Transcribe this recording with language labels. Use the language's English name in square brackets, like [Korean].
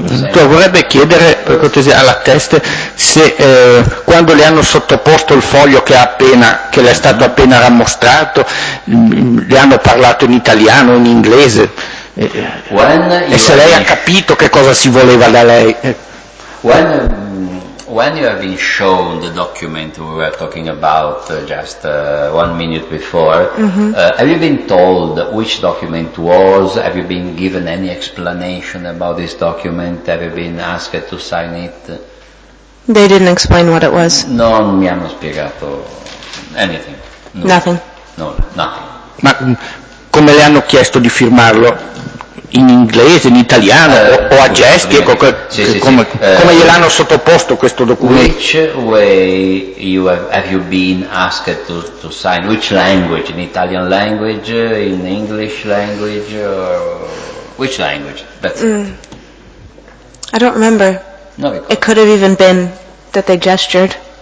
[Italian] Tu vorrebbe chiedere per cortesia alla teste se quando le hanno sottoposto il foglio che le è stato appena rammostrato, le hanno parlato in italiano o in inglese, e se lei ha capito che cosa si voleva da lei. [English] When you have been shown the document we were talking about just 1 minute before, mm-hmm, have you been told which document was? Have you been given any explanation about this document? Have you been asked to sign it? They didn't explain what it was. [Italian] Non mi hanno spiegato [English] anything. No. Nothing. No, nothing. [Italian] Ma come le hanno chiesto di firmarlo? In inglese, in italiano, o a gesti, ecco, come gliel'hanno sottoposto questo documento? [English] Which way you have you been asked to sign? Which language? In Italian language? In English language? Or which language? I don't remember. No, it could have even been that they gestured.